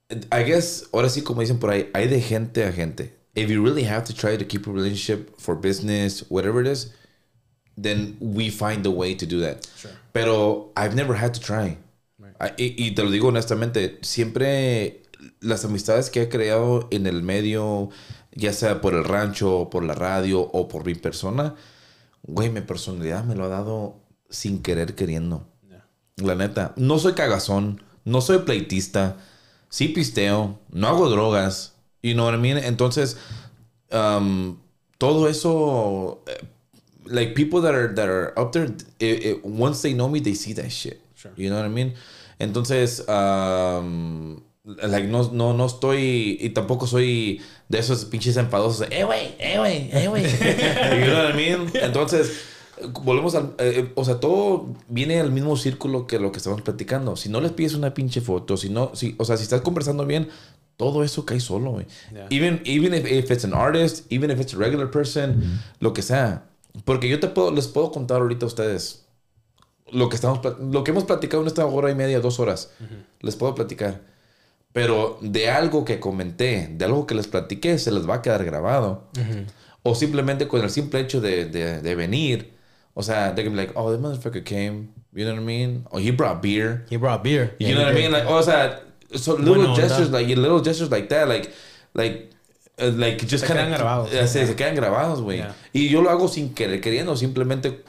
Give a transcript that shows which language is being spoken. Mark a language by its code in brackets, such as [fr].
[en] I guess, [es] ahora sí, como dicen por ahí, hay de gente a gente. [en] If you really have to try to keep a relationship for business, whatever it is, then we find a way to do that. Sure. [es] Pero [en] I've never had to try. Right. [es] Y te lo digo honestamente, siempre las amistades que he creado en el medio, ya sea por el rancho, por la radio o por mi persona, güey, mi personalidad me lo ha dado sin querer queriendo. La neta, no soy cagazón, no soy pleitista, sí pisteo, no hago drogas, [en] you know what I mean? [es] Entonces, todo eso, [en] like people that are up there, once they know me, they see that shit. Sure. You know what I mean? [es] Entonces, no estoy, y tampoco soy de esos pinches enfadosos, güey. [en] You know what I mean? [es] Entonces... Volvemos al... o sea, todo viene al mismo círculo que lo que estamos platicando. Si no les pides una pinche foto, si estás conversando bien, todo eso cae solo, güey. [en] Yeah. Even if it's an artist, even if it's a regular person, [es] lo que sea. Porque yo les puedo contar ahorita a ustedes lo que hemos platicado en esta hora y media, dos horas. Uh-huh. Les puedo platicar. Pero de algo que comenté, de algo que les platiqué, se les va a quedar grabado. Uh-huh. O simplemente con el simple hecho de venir... O sea, [en] they can be like, oh, this motherfucker came. You know what I mean? Oh, he brought beer. He brought beer. You yeah, know what I mean? Like, oh, o sea, so little bueno, gestures no. Like, little gestures like that, like just kind of... [es] Se quedan grabados, güey. [en] Yeah. [es] Y yo lo hago sin querer, queriendo, simplemente...